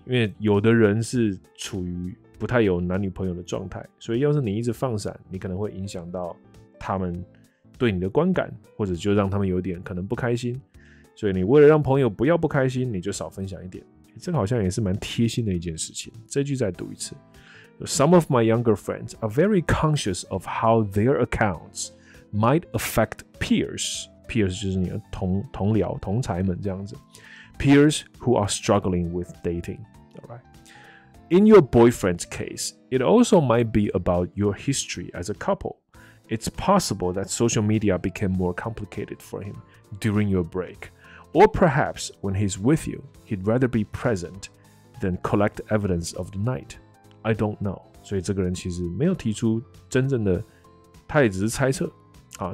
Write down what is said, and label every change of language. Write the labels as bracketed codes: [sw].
[zh] 因为有的人是处于不太有男女朋友的状态，所以要是你一直放闪，你可能会影响到他们对你的观感，或者就让他们有点可能不开心。所以你为了让朋友不要不开心，你就少分享一点。这个好像也是蛮贴心的一件事情。这句再读一次。 [en] Some of my younger friends are very conscious of how their accounts might affect peers. Peers [zh] 就是你的同僚、同才们这样子。 [en] Peers who are struggling with dating. All right. In your boyfriend's case, it also might be about your history as a couple. It's possible that social media became more complicated for him during your break. Or perhaps when he's with you, he'd rather be present than collect evidence of the night. I don't know. [zh] 所以这个人其实没有提出真正的，他也只是猜测啊。